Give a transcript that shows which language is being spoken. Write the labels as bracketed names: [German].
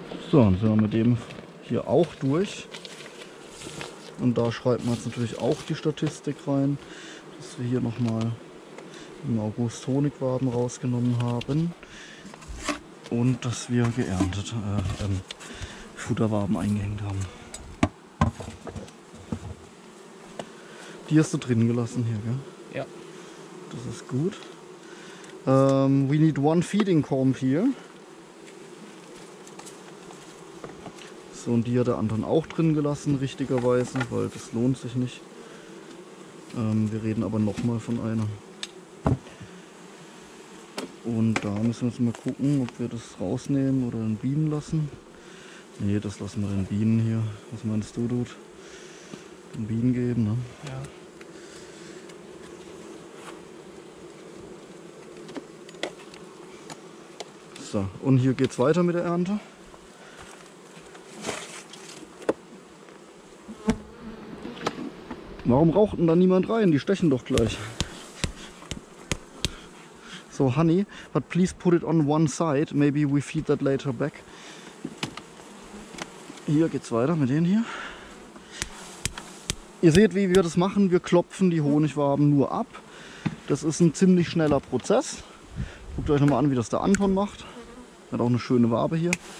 [German] So, dann sind wir mit dem hier auch durch. Und da schreibt man jetzt natürlich auch die Statistik rein, dass wir hier nochmal im August Honigwaben rausgenommen haben. Und dass wir geerntet Futterwaben eingehängt haben. Die hast du drin gelassen hier, gell? Ja. Das ist gut. [English] We need one feeding comb here. [German] So, und die hat der anderen auch drin gelassen, richtigerweise, weil das lohnt sich nicht. Wir reden aber nochmal von einer. Und da müssen wir jetzt mal gucken, ob wir das rausnehmen oder den Bienen lassen. Nee, das lassen wir den Bienen hier. Was meinst du, Dude? Den Bienen geben, ne? Ja. So, und hier geht's weiter mit der Ernte. Warum raucht denn da niemand rein? Die stechen doch gleich. [English] So, honey, but please put it on one side. Maybe we feed that later back. [German] Hier geht's weiter mit denen hier. Ihr seht, wie wir das machen. Wir klopfen die Honigwaben nur ab. Das ist ein ziemlich schneller Prozess. Guckt euch nochmal an, wie das der Anton macht. Hat auch eine schöne Wabe hier.